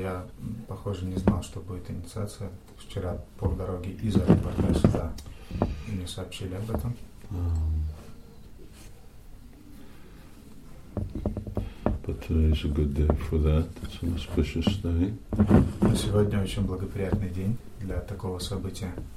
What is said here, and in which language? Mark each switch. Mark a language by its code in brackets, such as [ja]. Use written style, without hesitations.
[ru] Я, похоже, не знал, что будет инициация. Вчера по дороге из аэропорта сюда мне сообщили об этом. [en] But today is a good day for that. It's an auspicious day. [ru] Но сегодня очень благоприятный день для такого события.